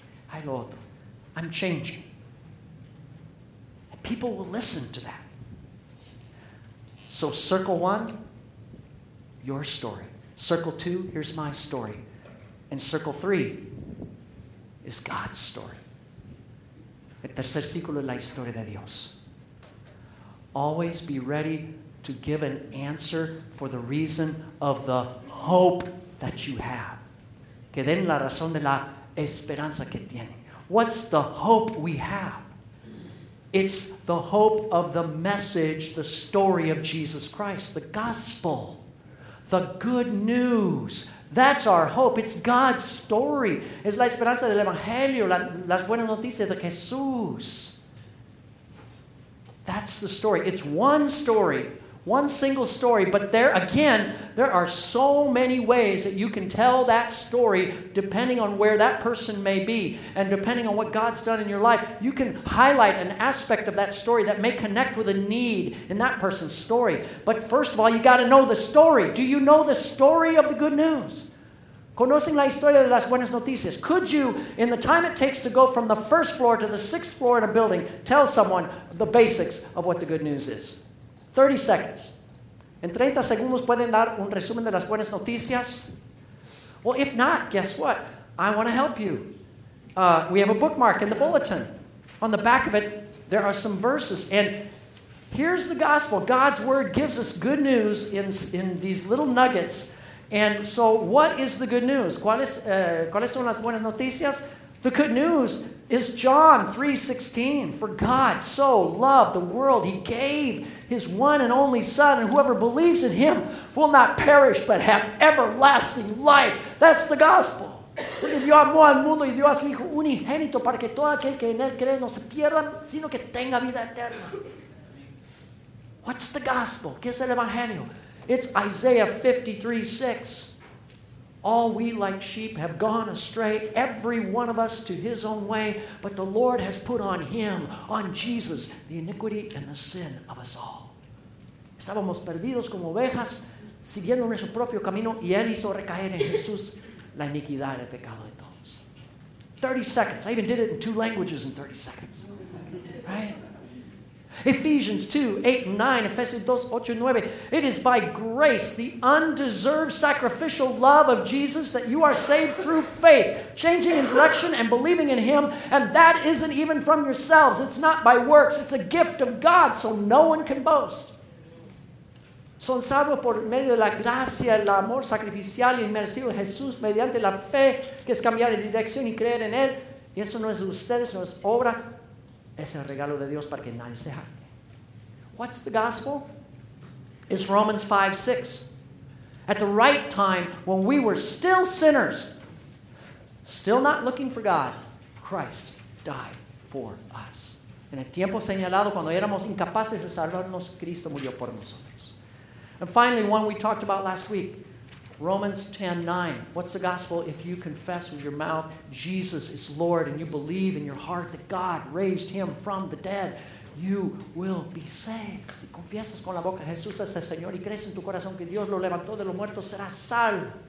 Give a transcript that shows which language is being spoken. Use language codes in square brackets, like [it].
[en] I'm changing. And people will listen to that. So circle 1, your story. Circle 2, here's my story. And circle 3 is God's story. [es] El tercer círculo es la historia de Dios. [en] Always be ready to give an answer for the reason of the hope that you have. [es] Que den la razón de la esperanza que tiene. [en] What's the hope we have? It's the hope of the message, the story of Jesus Christ, the gospel, the good news. That's our hope. It's God's story. [es] Es la esperanza del Evangelio, las buenas noticias de Jesús. [en] That's the story. It's one story, one single story. But there, again, there are so many ways that you can tell that story depending on where that person may be and depending on what God's done in your life. You can highlight an aspect of that story that may connect with a need in that person's story. But first of all, you got to know the story. Do you know the story of the good news? [es] Conocen la historia de las buenas noticias. [en] Could you, in the time it takes to go from the first floor to the sixth floor in a building, tell someone the basics of what the good news is? 30 seconds. [es] ¿En 30 segundos pueden dar un resumen de las buenas noticias? [en] Well, if not, guess what? I want to help you. We have a bookmark in the bulletin. On the back of it, there are some verses. And here's the gospel. God's word gives us good news in these little nuggets. And so, what is the good news? [es] ¿Cuáles son las buenas noticias? [en] The good news is John 3:16. For God so loved the world, He gave His one and only Son, and whoever believes in Him will not perish but have everlasting life. That's the gospel. [es] Porque Dios amó al mundo y dio a su Hijo unigénito para que todo aquel que en él cree no se pierda, sino que tenga vida eterna. [en] What's the gospel? [es] ¿Qué es el Evangelio? [en] It's Isaiah 53:6. All we like sheep have gone astray, every one of us to his own way, but the Lord has put on him, on Jesus, the iniquity and the sin of us all. [es] Estábamos perdidos como ovejas, siguiendo nuestro propio camino, y él hizo recaer en Jesús la iniquidad y el pecado de todos. [en] 30 seconds. I even did it in two languages in 30 seconds. Right? Ephesians 2:8-9, Ephesians 2:8-9. It is by grace, the undeserved sacrificial love of Jesus, that you are saved through faith, changing in direction and believing in Him. And that isn't even from yourselves. It's not by works. It's a gift of God, so no one can boast. [es] Son salvos por medio de la gracia, el amor sacrificial y inmerecido de Jesús, mediante la fe, que es cambiar de dirección y creer en Él. Y eso no es de ustedes, no es obra. Es el regalo de Dios para que nadie se jacte. [en] What's the gospel? It's Romans 5:6. At the right time, when we were still sinners, still not looking for God, Christ died for us. [es] En el tiempo señalado, cuando éramos incapaces de salvarnos, Cristo murió por nosotros. [en] And finally, one we talked about last week, Romans 10:9. What's the gospel? If you confess with your mouth Jesus is Lord and you believe in your heart that God raised Him from the dead, you will be saved. [es] Si confiesas con la boca Jesús es el Señor y crees en tu corazón que Dios lo levantó de los muertos, serás salvo.